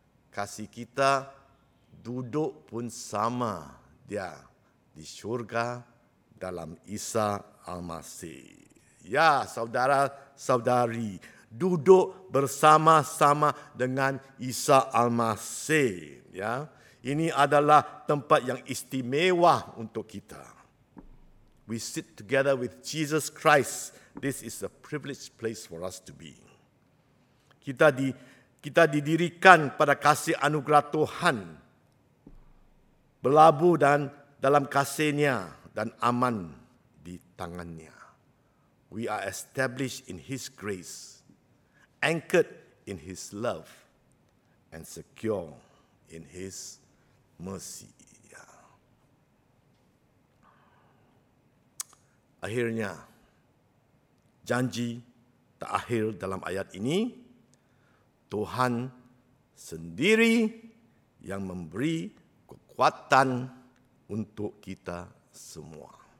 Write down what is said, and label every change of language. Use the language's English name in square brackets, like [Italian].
[Malay] Kasih kita duduk pun sama Dia di syurga dalam Isa Al-Masih. Ya, saudara-saudari, duduk bersama-sama dengan Isa Al-Masih. Ya. Ini adalah tempat yang istimewa untuk kita. [English] We sit together with Jesus Christ. This is a privileged place for us to be. [Malay] Kita didirikan pada kasih anugerah Tuhan. Berlabuh dan dalam kasih-Nya dan aman di tangan-Nya. [English] We are established in His grace, anchored in His love, and secure in His mercy. [Malay] Akhirnya, janji terakhir dalam ayat ini, Tuhan sendiri yang memberi kekuatan untuk kita semua.